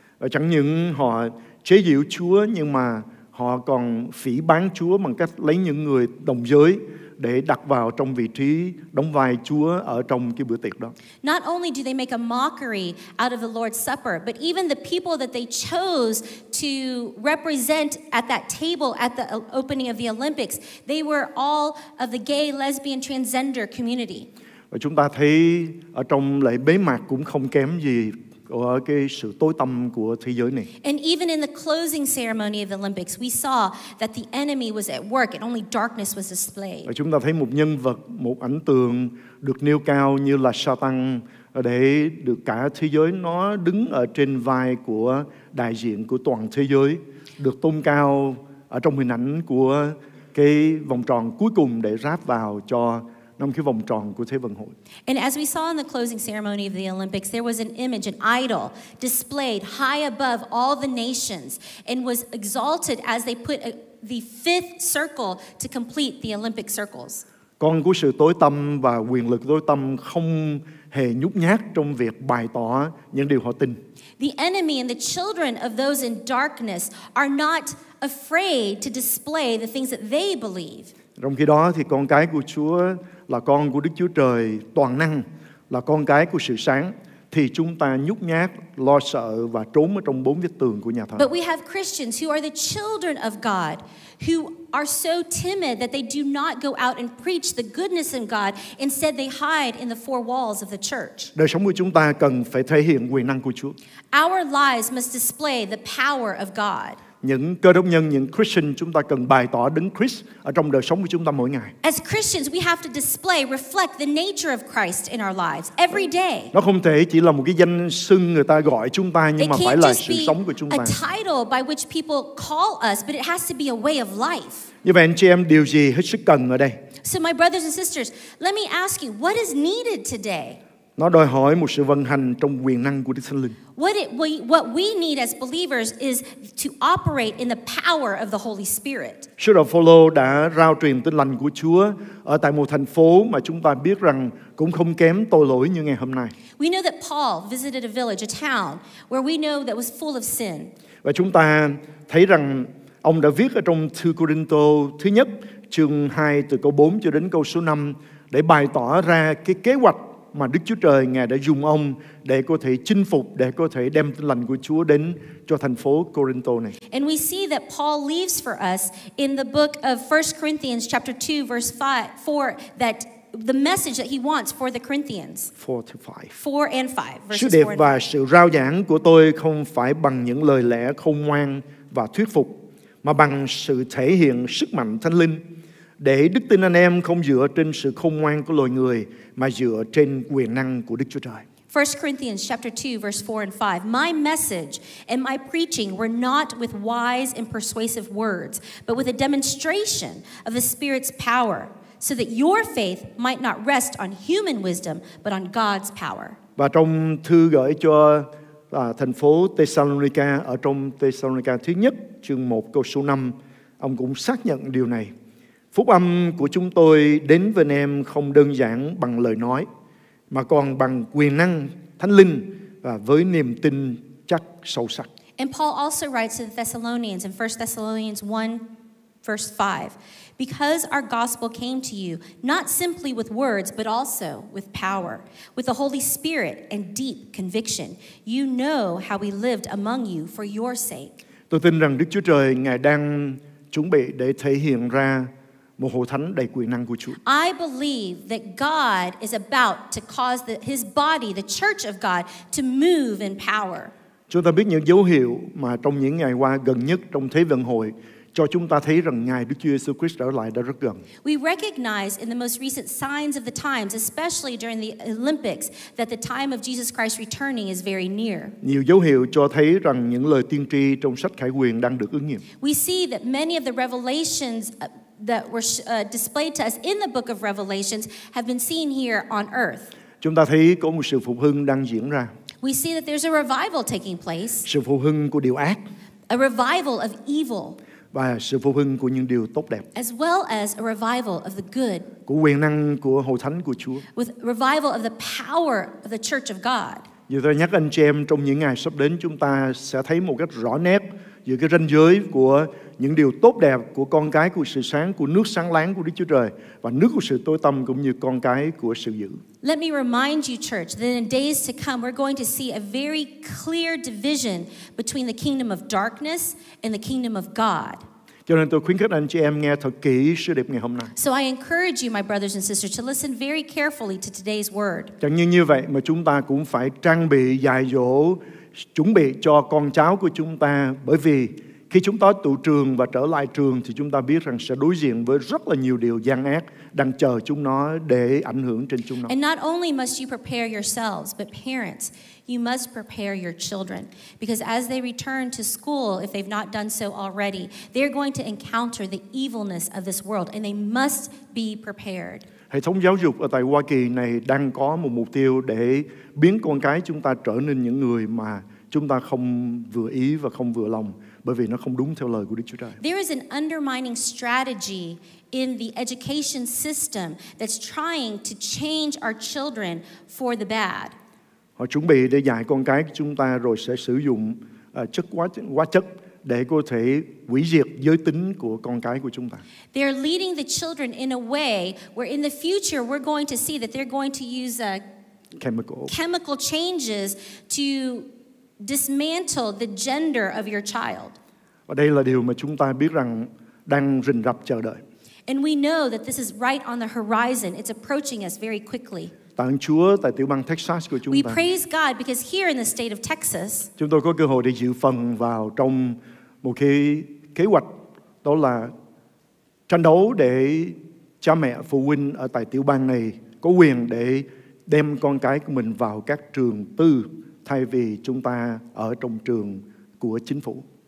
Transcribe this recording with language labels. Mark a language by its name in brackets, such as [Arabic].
[Vietnamese] Chẳng những họ chế giễu Chúa, nhưng mà họ còn phỉ báng Chúa bằng cách lấy những người đồng giới để đặt vào trong vị trí đóng vai Chúa ở trong cái bữa tiệc đó. [English] Not only do they make a mockery out of the Lord's Supper, but even the people that they chose to represent at that table at the opening of the Olympics, they were all of the gay, lesbian, transgender community. [Vietnamese] Và chúng ta thấy ở trong lễ bế mạc cũng không kém gì cái sự tối tăm của thế giới này. [English] And even in the closing ceremony of the Olympics, we saw that the enemy was at work and only darkness was displayed. [Vietnamese] Và chúng ta thấy một nhân vật, một ảnh tượng được nêu cao như là Satan để được cả thế giới nó đứng ở trên vai của đại diện của toàn thế giới, được tôn cao ở trong hình ảnh của cái vòng tròn cuối cùng để ráp vào cho trong cái vòng tròn của Thế vận hội. [English] And as we saw in the closing ceremony of the Olympics, there was an image, an idol, displayed high above all the nations and was exalted as they put the fifth circle to complete the Olympic circles. [Vietnamese] Con của sự tối tăm và quyền lực tối tăm không hề nhút nhát trong việc bày tỏ những điều họ tin. [English] The enemy and the children of those in darkness are not afraid to display the things that they believe. [Vietnamese] Trong khi đó thì con cái của Chúa là con của Đức Chúa Trời toàn năng, là con cái của sự sáng, thì chúng ta nhút nhát, lo sợ và trốn ở trong bốn vách tường của nhà thờ. [English] But we have Christians who are the children of God, who are so timid that they do not go out and preach the goodness of God. Instead, they hide in the four walls of the church. [Vietnamese] Đời sống của chúng ta cần phải thể hiện quyền năng của Chúa. [English] Our lives must display the power of God. [Vietnamese] Những cơ đốc nhân, những Christian, chúng ta cần bày tỏ đấng Christ ở trong đời sống của chúng ta mỗi ngày. [English] As Christians, we have to display, reflect the nature of Christ in our lives every day. [Vietnamese] Nó không thể chỉ là một cái danh xưng người ta gọi chúng ta, nhưng mà phải là sự sống của chúng ta. [English] It can't just be a title by which people call us, but it has to be a way of life. [Vietnamese] Như vậy anh chị em, điều gì hết sức cần ở đây? [English] So my brothers and sisters, let me ask you, what is needed today? [Vietnamese] Nó đòi hỏi một sự vận hành trong quyền năng của Đức Thánh Linh. [English] What we need as believers is to operate in the power of the Holy Spirit. [Vietnamese] Sứ đồ Phaolô đã rao truyền Tin Lành của Chúa ở tại một thành phố mà chúng ta biết rằng cũng không kém tội lỗi như ngày hôm nay. [English] We know that Paul visited a village, a town where we know that was full of sin. [Vietnamese] Và chúng ta thấy rằng ông đã viết ở trong thư Corinto thứ nhất chương 2 từ câu 4 cho đến câu số 5 để bày tỏ ra cái kế hoạch mà Đức Chúa Trời Ngài đã dùng ông để có thể chinh phục, để có thể đem Tin Lành của Chúa đến cho thành phố Corinto này. [English] And we see that Paul leaves for us in the book of 1 Corinthians chapter 2 verse 4 that the message that he wants for the Corinthians. 4 and 5. [Vietnamese] Sứ điệp và sự rao giảng của tôi không phải bằng những lời lẽ khôn ngoan và thuyết phục, mà bằng sự thể hiện sức mạnh Thánh Linh, để đức tin anh em không dựa trên sự khôn ngoan của loài người mà dựa trên quyền năng của Đức Chúa Trời. [English] 1 Corinthians chapter 2 verse 4 and 5. My message and my preaching were not with wise and persuasive words, but with a demonstration of the Spirit's power, so that your faith might not rest on human wisdom but on God's power. [Vietnamese] Và trong thư gửi cho thành phố Thessalonica, ở trong Thessalonica thứ nhất chương 1 câu số 5, ông cũng xác nhận điều này. Phúc âm của chúng tôi đến với anh em không đơn giản bằng lời nói, mà còn bằng quyền năng Thánh Linh và với niềm tin chắc sâu sắc. [English] And Paul also writes to the Thessalonians in 1 Thessalonians 1 verse 5, because our gospel came to you not simply with words but also with power, with the Holy Spirit and deep conviction. You know how we lived among you for your sake. [Vietnamese] Tôi tin rằng Đức Chúa Trời Ngài đang chuẩn bị để thể hiện ra một hội thánh đầy quyền năng của Chúa. [English] I believe that God is about to cause his body, the church of God, to move in power. [Vietnamese] Chúng ta biết những dấu hiệu mà trong những ngày qua gần nhất trong Thế vận hội cho chúng ta thấy rằng Ngài Đức Chúa Giêsu Christ trở lại đã rất gần. [English] We recognize in the most recent signs of the times, especially during the Olympics, that the time of Jesus Christ returning is very near. [Vietnamese] Nhiều dấu hiệu cho thấy rằng những lời tiên tri trong sách Khải Huyền đang được ứng nghiệm. [English] We see that many of the revelations that were displayed to us in the book of Revelations have been seen here on earth. [Vietnamese] Chúng ta thấy có một sự phục hưng đang diễn ra. [English] We see that there's a revival taking place. [Vietnamese] Sự phục hưng của điều ác. [English] A revival of evil. [Vietnamese] Và sự phục hưng của những điều tốt đẹp. [English] As well as a revival of the good. [Vietnamese] Của quyền năng của hội thánh của Chúa. [English] With revival of the power of the church of God. [Vietnamese] Như tôi nhắc anh chị em, trong những ngày sắp đến chúng ta sẽ thấy một cách rõ nét giữa cái ranh giới của những điều tốt đẹp của con cái của sự sáng, của nước sáng láng của Đức Chúa Trời và nước của sự tối tăm, cũng như con cái của sự dữ. [English] Let me remind you, church, that in days to come we're going to see a very clear division between the kingdom of darkness and the kingdom of God. [Vietnamese] Cho nên tôi khuyến khích anh chị em nghe thật kỹ sứ điệp ngày hôm nay. [English] So I encourage you, my brothers and sisters, to listen very carefully to today's word. [Vietnamese] Chẳng như vậy mà chúng ta cũng phải trang bị dạy dỗ, chuẩn bị cho con cháu của chúng ta, bởi vì khi chúng ta tụ trường và trở lại trường thì chúng ta biết rằng sẽ đối diện với rất là nhiều điều gian ác đang chờ chúng nó để ảnh hưởng trên chúng nó. [English] And not only must you prepare yourselves, but parents, you must prepare your children. Because as they return to school, if they've not done so already, they're going to encounter the evilness of this world and they must be prepared. [Vietnamese] Hệ thống giáo dục ở tại Hoa Kỳ này đang có một mục tiêu để biến con cái chúng ta trở nên những người mà chúng ta không vừa ý và không vừa lòng, bởi vì nó không đúng theo lời của Đức Chúa Trời. [English] There is an undermining strategy in the education system that's trying to change our children for the bad. [Vietnamese] Họ chuẩn bị để dạy con cái của chúng ta rồi sẽ sử dụng chất hóa chất để có thể hủy diệt giới tính của con cái của chúng ta. [English] They are leading the children in a way where in the future we're going to see that they're going to use chemical changes to dismantle the gender of your child. [Vietnamese] Và đây là điều mà chúng ta biết rằng đang rình rập chờ đợi. [English] And we know that this is right on the horizon. It's approaching us very quickly. [Vietnamese] Tạ ơn Chúa tại tiểu bang Texas của chúng ta. [English] We praise God because here in the state of Texas, [Vietnamese] chúng tôi có cơ hội để dự phần vào trong một cái kế hoạch, đó là tranh đấu để cha mẹ phụ huynh ở tại tiểu bang này có quyền để đem con cái của mình vào các trường tư thay vì chúng ta ở trong trường của chính phủ.